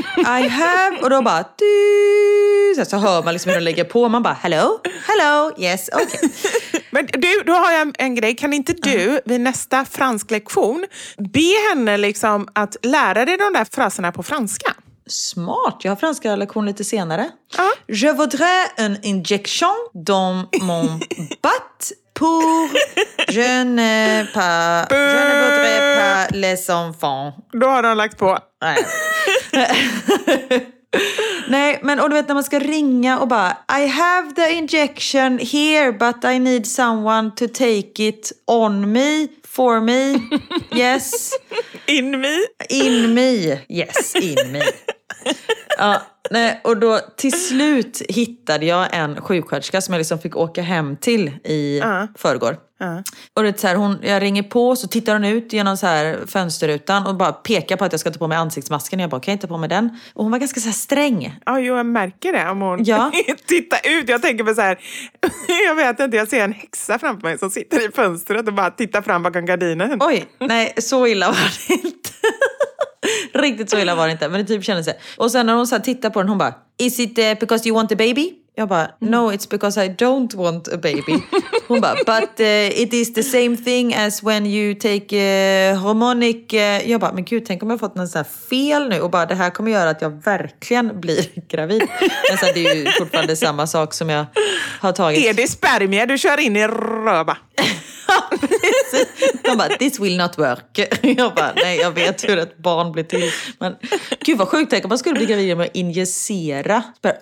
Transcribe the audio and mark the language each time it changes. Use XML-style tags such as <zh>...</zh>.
<en>I have,</en> <sv>och då bara, du, så hör man liksom hur de lägger på, man bara,</sv> <en>hello, hello, yes, okay.</en> <sv>Men du, då har jag en grej, kan inte du vid nästa fransk lektion be henne liksom att lära dig de där fraserna på franska? Smart, jag har franska lektion lite senare.</sv> <fr>Je voudrais une injection dans mon butt pour je ne pas, je ne voudrais pas les enfants.</fr> <sv>Då har de lagt på. Nej. Nej, men och du vet när man ska ringa och bara,</sv> <en>I have the injection here but I need someone to take it on me, for me, yes. In me. In me, yes, in me.</en> <sv>Ja, nej, och då till slut hittade jag en sjuksköterska som jag liksom fick åka hem till i förrgår. Och det är så här, hon, jag ringer på, så tittar hon ut genom så här fönsterrutan och bara pekar på att jag ska ta på mig ansiktsmasken. Jag bara, kan jag inte ta på mig den? Och hon var ganska så här sträng. Ja, jo, jag märker det om hon tittar ut. Jag tänker på så här, jag vet inte, jag ser en häxa framför mig som sitter i fönstret och bara tittar fram bakom gardinen. Oj, nej, så illa var det inte. Riktigt så illa var det inte, men det typ kändes det. Och sen när hon så här tittar på den, hon bara,</sv> <en>is it because you want a baby?</en> <sv>Jag bara,</sv> <en>no, it's because I don't want a baby.</en> <sv>Hon bara,</sv> <en>but it is the same thing as when you take hormonic...</en> <sv>Jag bara, men gud, tänk om jag har fått någon sån här fel nu. Och bara, det här kommer göra att jag verkligen blir gravid. Men så här, det är ju fortfarande samma sak som jag har tagit. Är det spermia du kör in i röva? Hon bara,</sv> <en>this will not work.</en> <sv>Jag bara, nej, jag vet hur ett barn blir till. Men gud vad sjukt, tänk om man skulle bli gravid med att injicera spermia.</sv>